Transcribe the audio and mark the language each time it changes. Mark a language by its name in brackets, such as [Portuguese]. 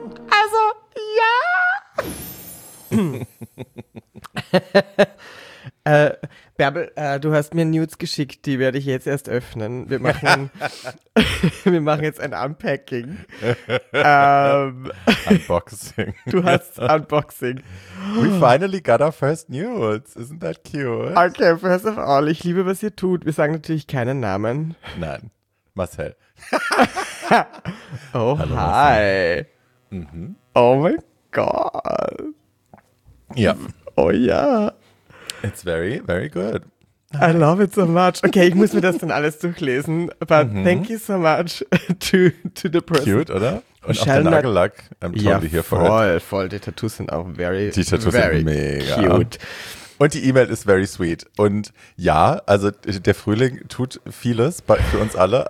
[German] Also, ja! Bärbel, du hast mir Nudes geschickt, die werde ich jetzt erst öffnen. Wir machen jetzt ein Unpacking. Unboxing. Du hast Unboxing. [English] We finally got our first nudes. Isn't that cute? [German] Okay, [English] first of all, [German] ich liebe, was ihr tut. Wir sagen natürlich keinen Namen. Nein, Marcel. Oh, hallo, hi. Mhm. Oh mein Gott. Ja. Oh ja. [English] It's very, very good. I love it so much. [German] Okay, ich muss mir das dann alles durchlesen. [English] But thank you so much to the person. Cute, [German] oder? Und auch der Nagellack. [English] I'm totally here for it. [German] Voll. Die Tattoos sind auch [English] very, very cute. [German] Die Tattoos sind mega cute. Und die E-Mail ist [English] very sweet. [German] Und ja, also der Frühling tut vieles für uns alle.